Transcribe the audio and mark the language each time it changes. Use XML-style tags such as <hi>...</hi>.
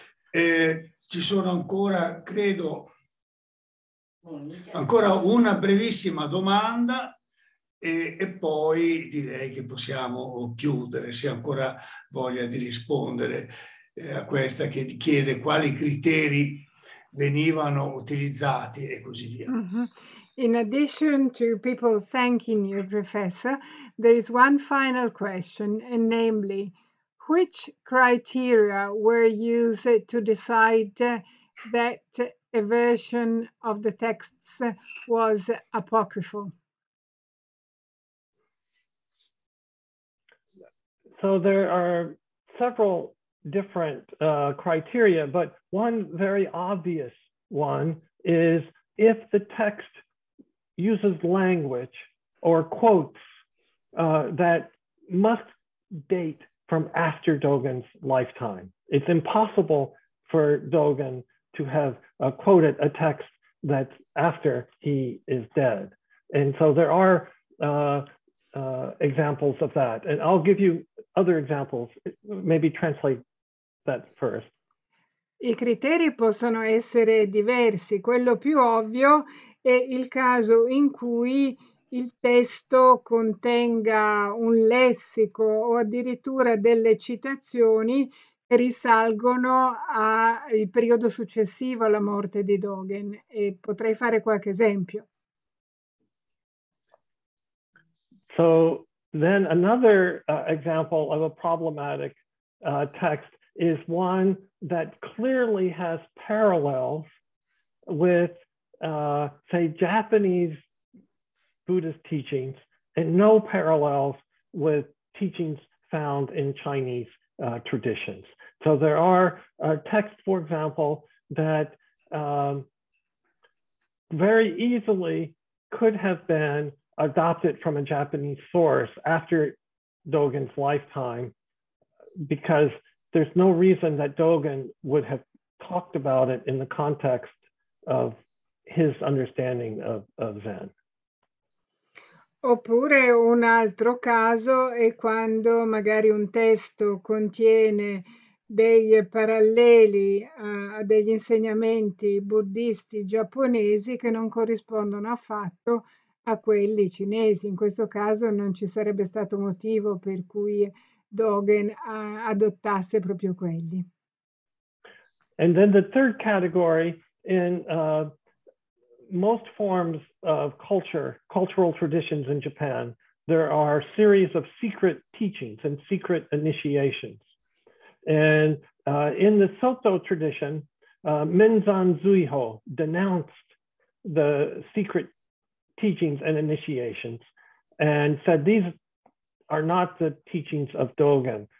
<it>Ci sono ancora, credo, ancora una brevissima domanda e poi direi che possiamo chiudere, se ancora voglia di rispondere a questa che chiede quali criteri venivano utilizzati e così via.</it> <en>In addition to people thanking you, Professor, there is one final question, and namely, which criteria were used to decide that a version of the texts was apocryphal? So there are several different criteria, but one very obvious one is if the text uses language or quotes that must date from after Dogen's lifetime. It's impossible for Dogen to have quoted a text that's after he is dead. And so there are examples of that. And I'll give you other examples, maybe translate that first.</en> <it>I criteri possono essere diversi. Quello più ovvio è il caso in cui il testo contenga un lessico o addirittura delle citazioni che risalgono al periodo successivo alla morte di Dogen. E potrei fare qualche esempio.</it> <en>So then another example of a problematic text is one that clearly has parallels with, say, Japanese Buddhist teachings and no parallels with teachings found in Chinese traditions. So there are texts, for example, that very easily could have been adopted from a Japanese source after Dogen's lifetime, because there's no reason that Dogen would have t- talked about it in the context of his understanding of Zen.</en> <it>Oppure un altro caso è quando magari un testo contiene dei paralleli a degli insegnamenti buddisti giapponesi che non corrispondono affatto a quelli cinesi. In questo caso non ci sarebbe stato motivo per cui Dogen adottasse proprio quelli.</it> <en>And then the third category in most forms of cultural traditions in Japan, there are series of secret teachings and secret initiations. And in the Soto tradition, Menzan Zuiho denounced the secret teachings and initiations and said these are not the teachings of Dogen.</en>